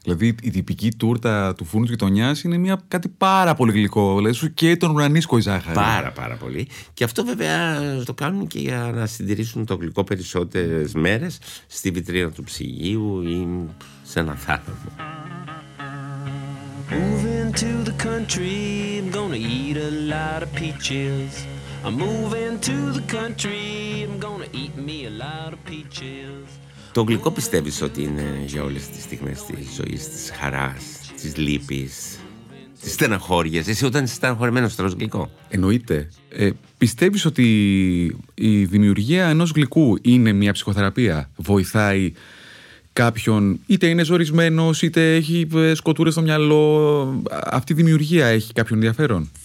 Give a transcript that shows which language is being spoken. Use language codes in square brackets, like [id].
[el] Δηλαδή η τυπική τούρτα του φούρνου της γειτονιάς είναι μια, κάτι πάρα πολύ γλυκό. Δηλαδή σου και τον ουρανίσκο η ζάχαρη. Πάρα πολύ. Και αυτό βέβαια το κάνουν και για να συντηρήσουν το γλυκό περισσότερες μέρες στη βιτρίνα του ψυγείου ή σε ένα θάλαμο. [en] Moving to the country, I'm gonna eat a lot of peaches. I'm moving to the country, I'm gonna eat me a lot of peaches. [el] Το γλυκό πιστεύεις ότι είναι για όλες τις στιγμές της ζωής, της χαράς, της λύπης, της στεναχώριας? Εσύ όταν είσαι στεναχωρημένος τρως γλυκό? Εννοείται. Πιστεύεις ότι η δημιουργία ενός γλυκού είναι μια ψυχοθεραπεία, βοηθάει κάποιον, είτε είναι ζορισμένος, είτε έχει σκοτούρες στο μυαλό, αυτή η δημιουργία έχει κάποιον ενδιαφέρον?